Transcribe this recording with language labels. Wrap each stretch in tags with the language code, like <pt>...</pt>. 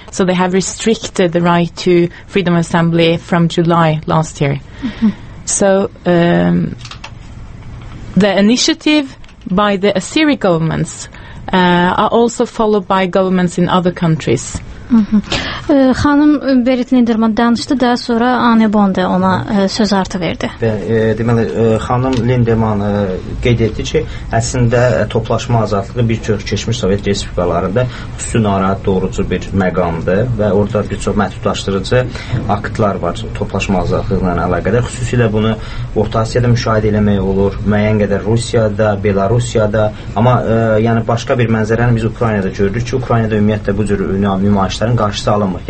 <en>So they have restricted the right to freedom of assembly from July last year. Mm-hmm. So the initiative by the Azeri governments are also followed by governments in other countries.</en> <az>Xanım Berit Linderman danışdı, daha sonra Anne Bond da ona söz artı verdi. Deməli, xanım Linderman qeyd etdi ki, əslində toplaşma azadlığı bir çox keçmiş Sovet respublikalarında xüsusi narahat doğrucu bir məqamdır və orada bir çox məhdudlaşdırıcı aktlar var toplaşma azadlığı ilə əlaqədar. Xüsusilə bunu Orta Asiyada müşahidə eləmək olur, müəyyən qədər Rusiyada, Belarusiyada, amma yəni başqa bir mənzərəni biz Ukraynada gördük ki, Ukraynada ümumiyyətlə bu cür nümayişlərin qarşısı alınmır.</az>